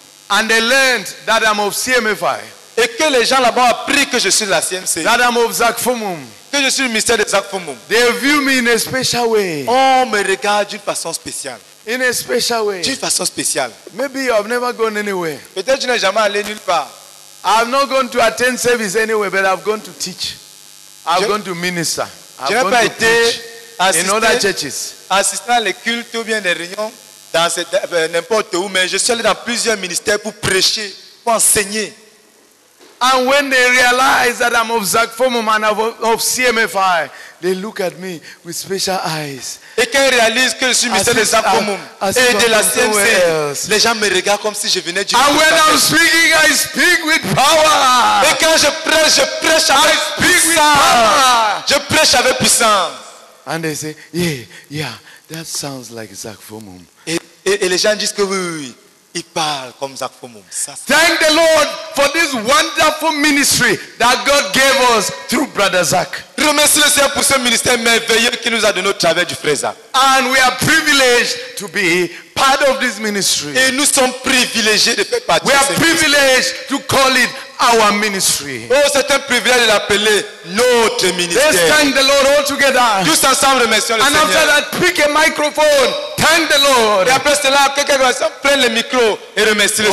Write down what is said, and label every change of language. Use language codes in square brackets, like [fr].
[en] And they learned that I'm of CMFI. [fr] Et que les gens là-bas apprirent que je suis de la CMC. [en] That I'm of Zakfumum. [fr] Que je suis le ministère de Zakfumum. [en] They view me in a special way. [fr] On me regarde d'une façon spéciale. [en] In a special way. [fr] D'une façon spéciale. [en] Maybe I've never gone anywhere. [fr] Peut-être que je n'ai jamais allé nulle part. [en] I've not gone to attend service anywhere, but I've gone to teach. I've gone to minister. [fr] Je n'ai pas été assister, [en] in other churches. [fr] Assistant les cultes ou bien des réunions. Dans cette, n'importe où, mais je suis allé dans plusieurs ministères pour prêcher, pour enseigner. [en] And when they realize that I'm of Zakfumum and of CMFI, they look at me with special eyes. [fr] Et quand ils réalisent que je suis ministère de Zakfumum et de la CMC, les gens me regardent comme si je venais du. [en] And when I'm speaking, I speak with power. [fr] Et quand je prêche avec puissance. Je prêche avec puissance. [en] And they say, yeah, that sounds like Zakfumum. [fr] Et les gens disent que oui, il parle comme Zakfumum. [en] Thank the Lord for this wonderful ministry that God gave us through Brother Zak. [fr] Remercie le Seigneur pour ce ministère merveilleux qu'il nous a donné au travers du frère Zak. [en] And we are privileged to be part of this ministry. [fr] Et nous sommes privilégiés de faire partie. [en] We are privileged to call it our ministry. [fr] Oh, c'est un privilège de l'appeler notre ministère. [en] Let's thank the Lord all together. [fr] Tous ensemble, remercions le Seigneur. [en] And after that, pick a microphone. Thank the Lord. [fr] Et après cela, quelqu'un prend le micro et remercie le